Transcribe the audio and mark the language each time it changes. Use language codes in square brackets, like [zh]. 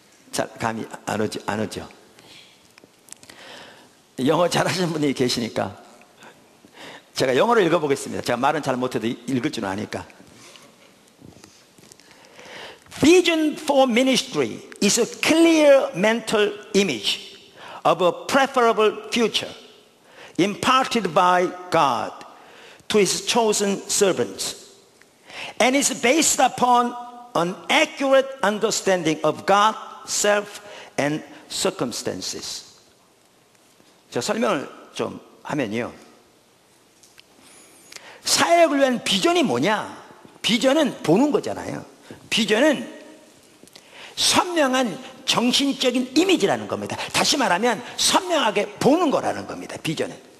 [ko] 잘 감이 안 오죠? 영어 잘하시는 분이 계시니까 제가 영어를 읽어보겠습니다. 제가 말은 잘 못해도 읽을 줄은 아니까. [en] Vision for ministry is a clear mental image of a preferable future imparted by God to his chosen servants, and is based upon an accurate understanding of God, self, and circumstances. [ko] 제가 설명을 좀 하면요. 사역을 위한 비전이 뭐냐? 비전은 보는 거잖아요. 비전은 선명한 정신적인 이미지라는 겁니다. 다시 말하면 선명하게 보는 거라는 겁니다. 비전은.